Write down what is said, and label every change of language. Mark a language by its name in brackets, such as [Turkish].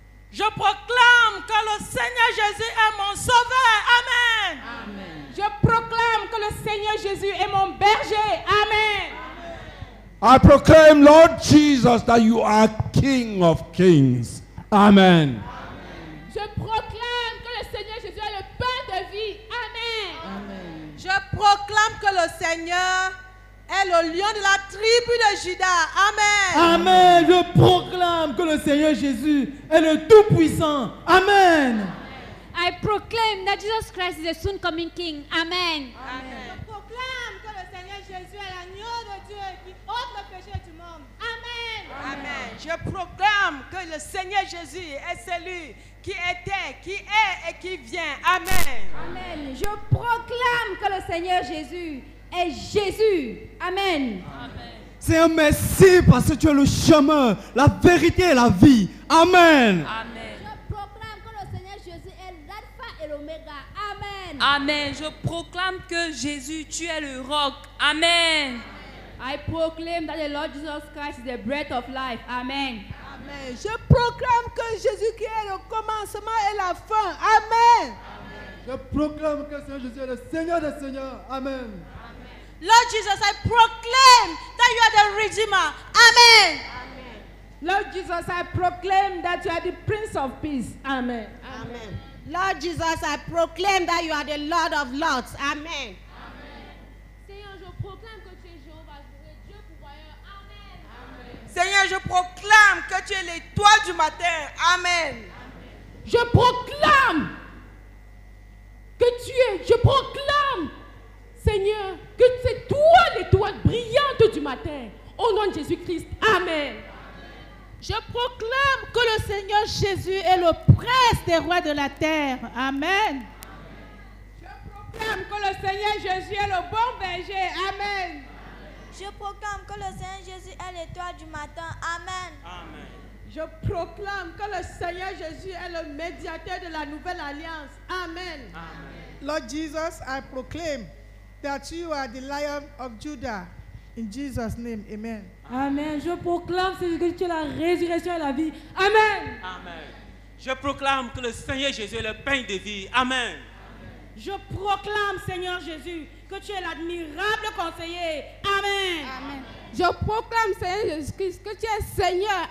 [French] Je proclame que le Seigneur Jésus est mon sauveur. Amen. Amen. Je proclame que le Seigneur Jésus est mon berger. Amen. Amen. [English] I proclaim, Lord Jesus, that you are King of Kings. Amen. Amen. [French] Je proclame que le Seigneur Jésus est le pain de vie. Amen. Amen. Je proclame que le Seigneur est le lion de la tribu de Judas. Amen. Amen. Je proclame que le Seigneur Jésus est le Tout-Puissant. Amen. [English] I proclaim that Jesus Christ is the soon coming King. Amen. Amen. [French] Je proclame que le Seigneur Jésus est l'agneau de Dieu qui ôte le péché du monde. Amen. Amen. Amen. Je proclame que le Seigneur Jésus est celui qui était, qui est et qui vient. Amen. Amen. Je proclame que le Seigneur Jésus est Jésus. Amen. Amen. Seigneur, merci parce que tu es le chemin, la vérité et la vie. Amen. Amen. Je proclame que le Seigneur Jésus est l'alpha et l'oméga. Amen. Amen. Je proclame que Jésus, tu es le roc. Amen. [English] I proclaim that the Lord Jesus Christ is the bread of life. Amen. Amen. [French] Je proclame que Jésus qui est le commencement et la fin. Amen. Amen. Je proclame que le Seigneur Jésus est le Seigneur des Seigneurs. Amen. [English] Lord Jesus, I proclaim that you are the Redeemer. Amen. Amen. Lord Jesus, I proclaim that you are the Prince of Peace. Amen. Amen. Amen. Lord Jesus, I proclaim that you are the Lord of Lords. Amen. Amen. [French] Seigneur, je proclame que tu es Jéhovah, Dieu pourvoyeur. Amen. Amen. Seigneur, je proclame que tu es l'étoile du matin. Amen. Amen. Je proclame que tu es, je proclame Seigneur, que c'est toi l'étoile brillante du matin. Au nom de Jésus-Christ. Amen. Je proclame que le Seigneur Jésus est le prince des rois de la terre. Amen. Je proclame que le Seigneur Jésus est le bon berger. Amen. Je proclame que le Seigneur Jésus est l'étoile du matin. Amen. Amen. Je proclame que le Seigneur Jésus est le médiateur de la nouvelle alliance. Amen. Amen. [English] Lord Jesus, I proclaim that you are the lion of Judah. In Jesus' name, amen. Amen. [French] Je proclame, Seigneur, que tu es la résurrection et la vie. Amen. Amen. Je proclame que le Seigneur Jésus est le pain de vie. Amen. Je proclame, Seigneur Jésus, que tu es l'admirable conseiller. Amen. Amen. Je proclame, Seigneur Jésus-Christ, que tu es Seigneur.